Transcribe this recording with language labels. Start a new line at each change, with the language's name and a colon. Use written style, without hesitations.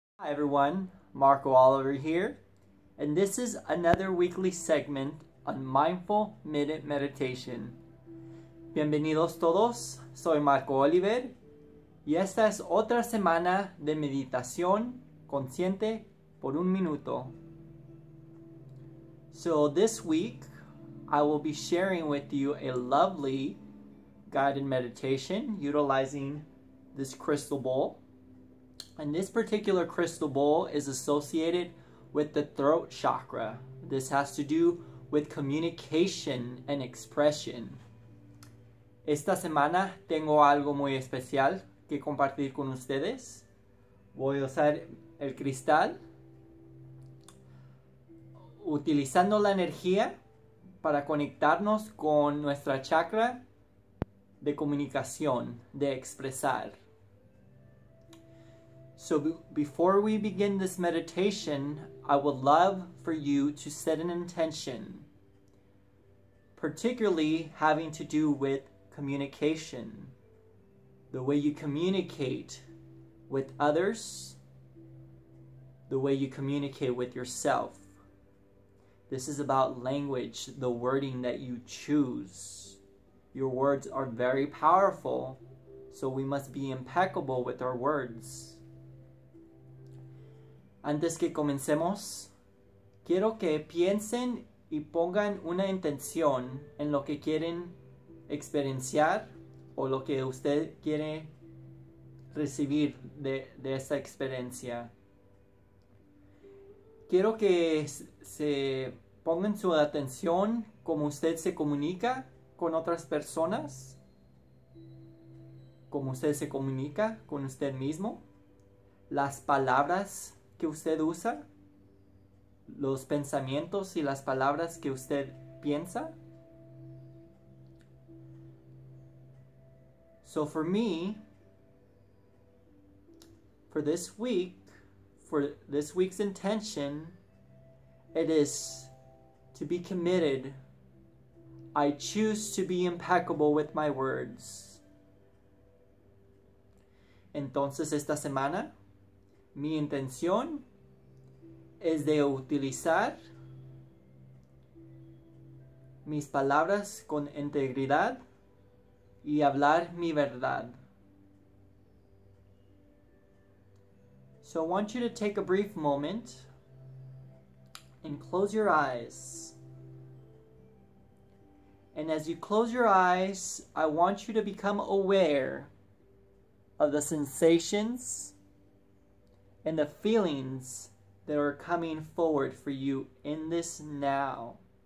English: Hi everyone, Marco Oliver here, and this is another weekly segment on Mindful Minute Meditation.
Spanish: Bienvenidos todos, soy Marco Oliver, y esta es otra semana de meditación consciente por un minuto.
English: So this week, I will be sharing with you a lovely guided meditation utilizing this crystal bowl. And this particular crystal bowl is associated with the throat chakra. This has to do with communication and expression.
Spanish: Esta semana tengo algo muy especial que compartir con ustedes. Voy a usar el cristal, utilizando la energía para conectarnos con nuestra chakra de comunicación, de expresar.
English: So before we begin this meditation, I would love for you to set an intention, particularly having to do with communication, the way you communicate with others, the way you communicate with yourself. This is about language, the wording that you choose. Your words are very powerful, so we must be impeccable with our words.
Spanish: Antes que comencemos, quiero que piensen y pongan una intención en lo que quieren experienciar o lo que usted quiere recibir de esa experiencia. Quiero que se pongan su atención como usted se comunica con otras personas, como usted se comunica con usted mismo, las palabras que usted usa, los pensamientos y las palabras que usted piensa.
English: So for me, for this week, for this week's intention, it is to be committed. I choose to be impeccable with my words.
Spanish: Entonces esta semana, mi intención es de utilizar mis palabras con integridad y hablar mi verdad.
English: So I want you to take a brief moment and close your eyes. And as you close your eyes, I want you to become aware of the sensations and the feelings that are coming forward for you in this now.